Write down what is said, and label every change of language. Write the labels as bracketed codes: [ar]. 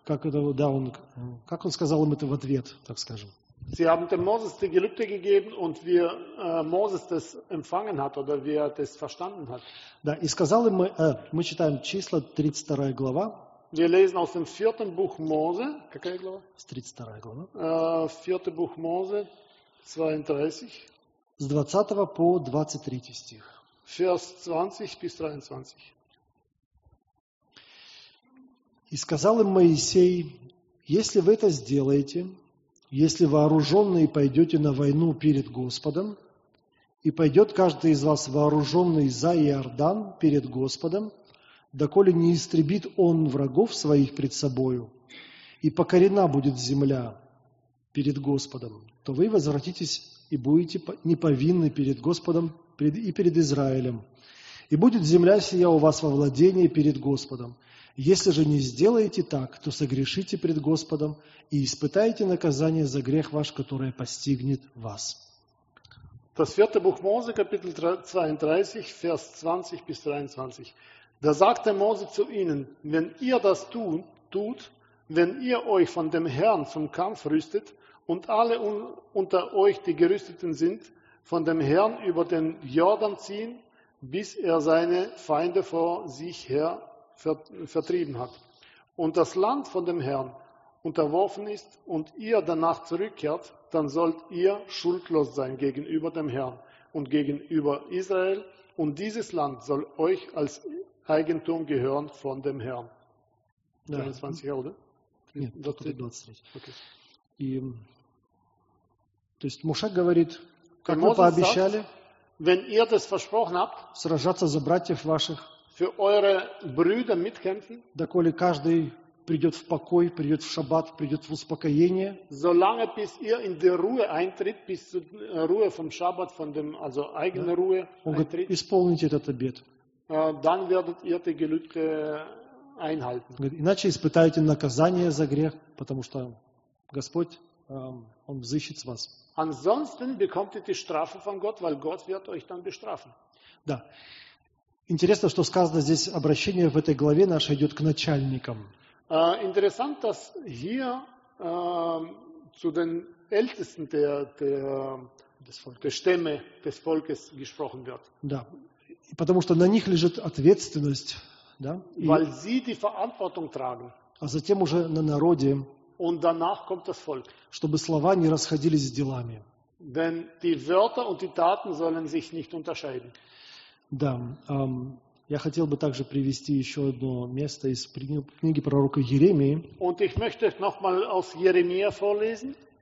[ru] Как это, да, он, как он сказал им это в ответ, так скажем. [de] Sie haben dem Moses die Gelübde gegeben und wie Moses das empfangen hat oder wie er das verstanden hat. [ru] Да, и сказал ему, мы читаем Числа, 32 глава. [de] Wir lesen aus dem 4. Buch Mose. [ru] Какая глава? 32 глава. [de] 4. Buch Mose, 32. [ru] С 20 по 23 стих. [de] Vers 20 bis 23. [ru] И сказал им Моисей, если вы это сделаете... Если вооруженные пойдете на войну перед Господом, и пойдет каждый из вас вооруженный за Иордан перед Господом, доколе не истребит он врагов своих пред собою, и покорена будет земля перед Господом, то вы возвратитесь и будете неповинны перед Господом и перед Израилем. И будет земля сия у вас во владении перед Господом. Если же не сделаете так, то согрешите пред Господом и испытаете наказание за грех ваш, которое постигнет вас. [de] Das vierte Buch Mose, Kapitel 32, Vers 20 bis 23. Da sagte Mose zu ihnen, wenn ihr das tut, wenn ihr euch von dem Herrn zum Kampf rüstet und alle unter euch, die gerüsteten sind, von dem Herrn über den Jordan ziehen, bis er seine Feinde vor sich her vertrieben hat und das Land von dem Herrn unterworfen ist und ihr danach zurückkehrt, dann sollt ihr schuldlos sein gegenüber dem Herrn und gegenüber Israel und dieses Land soll euch als Eigentum gehören von dem Herrn. Ja. 23, oder? Ja, 23. Okay. [ru] То есть Моше говорит, как мы пообещали, [de] wenn ihr das versprochen habt, [ru] сражаться за братьев ваших, [de] für eure Brüder mitkämpfen, [ru] доколе каждый придет в покой, придет в шаббат, придет в успокоение, [de] solange bis ihr in die Ruhe eintritt, bis zur Ruhe vom Schabbat, von dem, also eigene ja. Ruhe eintritt, [ru] исполните этот обет, [de] dann werdet ihr die Gelübde einhalten. [ru] Иначе испытаете наказание за грех, потому что Господь, он взыщет с вас. [de] Ansonsten bekommt ihr die Strafe von Gott, weil Gott wird euch dann bestrafen. [ru] Да. Интересно, что сказано здесь, обращение в этой главе нашей идет к начальникам. [de] Interessant, dass hier zu den Ältesten des Stämme, des Volkes gesprochen wird. [ru] Да, потому что на них лежит ответственность. Да? [de] Weil sie die Verantwortung tragen. [ru] А затем уже на народе. [de] Und danach kommt das Volk. [ru] Чтобы слова не расходились с делами. [de] Denn die Wörter und die Taten sollen sich nicht unterscheiden. [ru] Да, я хотел бы также привести еще одно место из книги пророка Иеремии. [de] Und ich möchte noch mal aus Jeremia vorlesen.